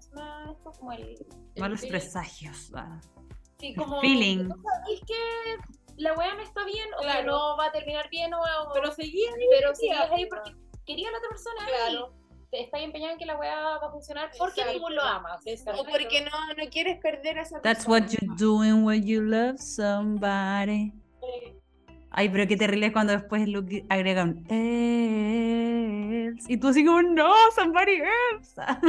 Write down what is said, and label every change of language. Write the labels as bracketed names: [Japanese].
[Spanish] Va los presagios, va. Sí, como... [English] Feeling. [Spanish] O sea, es que... La wea no está bien, o claro. Que no va a terminar bien, o pero seguía ahí, pero seguía ahí porque quería a la otra persona, claro. Y está empeñada en que la wea va a funcionar porque tú lo amas, o porque no quieres perder a esa [English] That's [Spanish] persona. [English] That's what you're doing when you love somebody. [Spanish] Ay, pero qué terrible es cuando después Luke agrega un else, y tú así como, no, [English] somebody else.